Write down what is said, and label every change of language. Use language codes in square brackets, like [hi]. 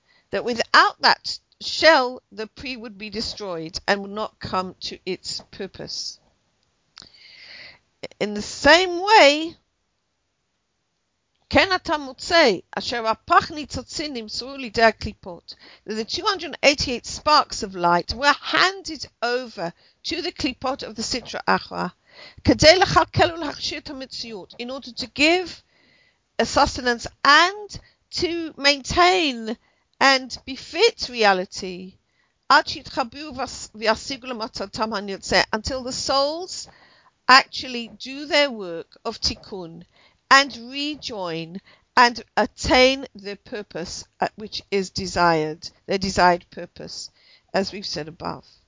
[en] That without that shell, the tree would be destroyed and would not come to its purpose. In the same way, [he] כן אתה מוצא אשר הפח ניצוצין נמסרו לידי הקליפות. [en] The 288 sparks of light were handed over to the קליפות of the Sitra Achra [he] כדי לחלקל ולהכשיר את המציאות, [en] in order to give a sustenance and to maintain and befit reality, [he] עד שיתחברו ויעשיגו למטרתם הנרצה, [en] until the souls actually do their work of tikkun and rejoin and attain their purpose, which is desired, their desired purpose, as we've said above.